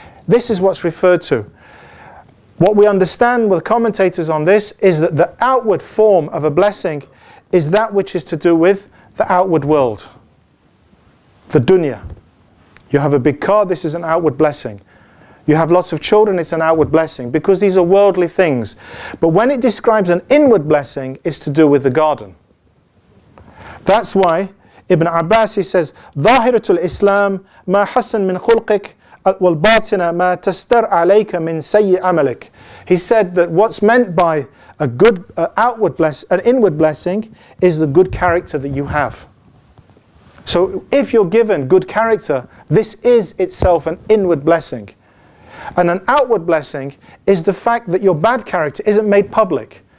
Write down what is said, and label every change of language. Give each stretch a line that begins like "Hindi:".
English: This is what's referred to. What we understand with commentators on this is that the outward form of a blessing is that which is to do with the outward world, the dunya. You have a big car, this is an outward blessing. You have lots of children, it's an outward blessing, because these are worldly things. But when it describes an inward blessing, it's to do with the garden. That's why Ibn Abbas, he says,
Arabic: ظاهرت الإسلام ما حسن من خلقك والباطنة ما تستر عليك من سيء عملك.
English: He said that what's meant by a good outward blessing, an inward blessing, is the good character that you have. So if you're given good character, this is itself an inward blessing. And an outward blessing is the fact that your bad character isn't made public.